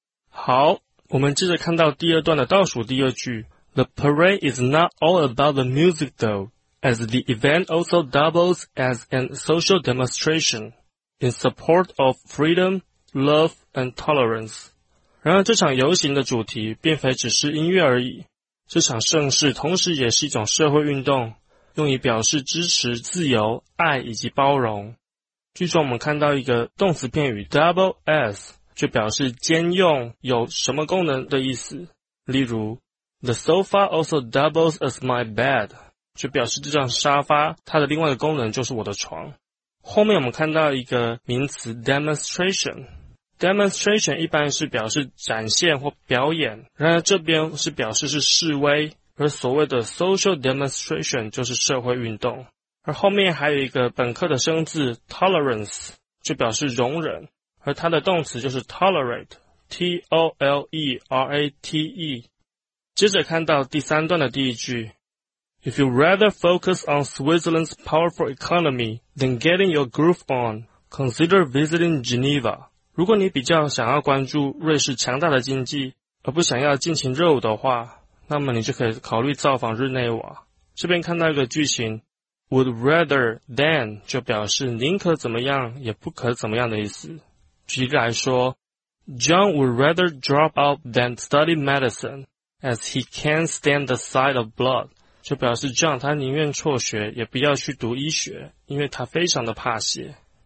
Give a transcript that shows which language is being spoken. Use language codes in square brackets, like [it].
[zh] 好, 我们接着看到第二段的倒数第二句。 [en] The parade is not all about the music, though. as the event also doubles as a social demonstration in support of freedom, love, and tolerance. [zh] 然而这场游行的主题并非只是音乐而已。这场盛事同时也是一种社会运动，用以表示支持自由、爱以及包容。据说我们看到一个动词片语 double as, 就表示兼用有什么功能的意思。例如 , [en] the sofa also doubles as my bed, [zh] 就表示这张沙发它的另外一个功能就是我的床。后面我们看到一个名词 demonstration。 Demonstration 一般是表示展现或表演，然而这边是表示是示威，而所谓的 social demonstration 就是社会运动。而后面还有一个本课的生字 tolerance, 就表示容忍，而它的动词就是 tolerate, T-O-L-E-R-A-T-E。接着看到第三段的第一句 [en] ,If you rather focus on Switzerland's powerful economy than getting your groove on, consider visiting Geneva. [zh] 如果你比较想要关注瑞士强大的经济，而不想要尽情热舞的话，那么你就可以考虑造访日内瓦。这边看到一个句型 ,would rather than 就表示宁可怎么样也不可怎么样的意思。 [en] 举例来说 ,John would rather drop out than study medicine, as he can't stand the sight of blood, [zh] 就表示 John 他宁愿辍学也不要去读医学，因为他非常的怕血。